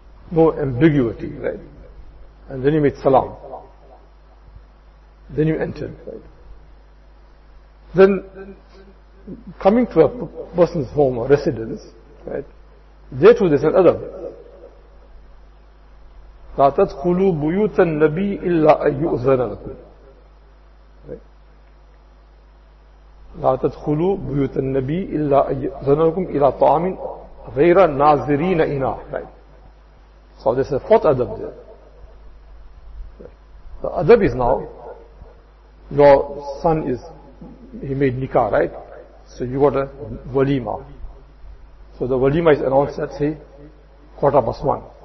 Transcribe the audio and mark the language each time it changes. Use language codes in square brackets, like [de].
[en] No ambiguity, right? And then you made salam. Then you entered, right? Then coming to a person's home or residence, right? There too there's an adab. [ar] لا تدخلوا بيوت النبي إلا أن يؤذن لكم. لا تدخلوا بيوت النبي إلا أن يؤذن لكم إلى طعام غير ناظرين إنا. [en] So there's a fourth adab there. The adab is now, your son is, he made nikah, right? So you got a walima. So the walima is announced at, say, quarter past one.